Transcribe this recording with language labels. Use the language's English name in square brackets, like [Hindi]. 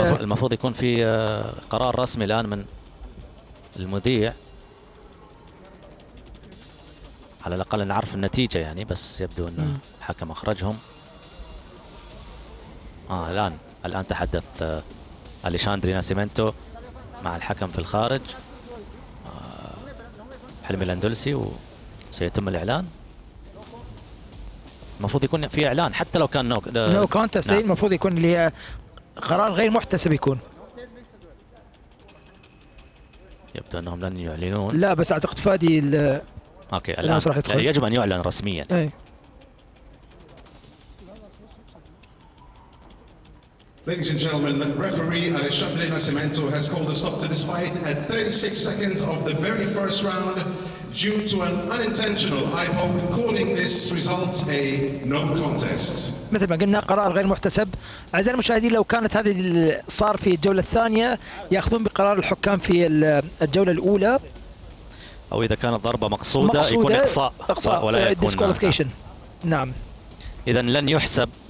[Arabic] المفروض يكون في قرار رسمي الان من المذيع على الاقل نعرف النتيجه يعني بس يبدو ان الحكم اخرجهم الان تحدث اليشاندري ناسيمنتو مع الحكم في الخارج حلمي الاندلسي وسيتم الاعلان المفروض يكون في اعلان حتى لو كان نو كونتست المفروض يكون اللي هي قرار غير محتسب يكون يبدو انهم لن يعلنون لا بس اعتقد فادي اوكي الان راح يدخل يجب ان يعلن رسميا اي [English] Ladies and gentlemen, referee Alexandre Nascimento has called a stop to this fight at 36 seconds of the very first round due to an unintentional eye poke, calling this result a no contest. [Arabic] مثل ما قلنا قرار غير محتسب. أعزائي المشاهدين لو كانت هذه صار في الجولة الثانية يأخذون بقرار الحكام في الجولة الأولى. أو إذا كانت ضربة مقصودة, مقصودة يكون إقصاء. إقصاء ولا يكون. نعم. إذا لن يحسب.